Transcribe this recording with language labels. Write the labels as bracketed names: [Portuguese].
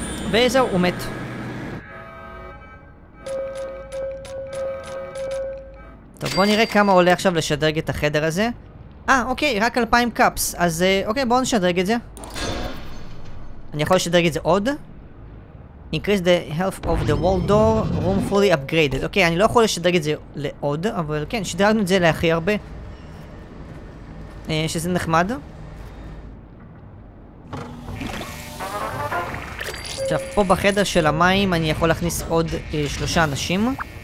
[Hebrew] וזהו, הוא מת. טוב, בוא נראה כמה עולה עכשיו לשדרג את החדר הזה. אוקיי, רק 2000 קאפס. אז אוקיי, בואו נשדרג את זה. אני יכול לשדרג את זה עוד? [English] Increase the health of the wall door, room fully upgraded. [Hebrew] אוקיי, אני לא יכול לשדרג את זה לעוד, אבל כן, שדרגנו את זה להכי הרבה. שזה נחמד. עכשיו, פה בחדר של המים אני יכול להכניס עוד 3 אנשים.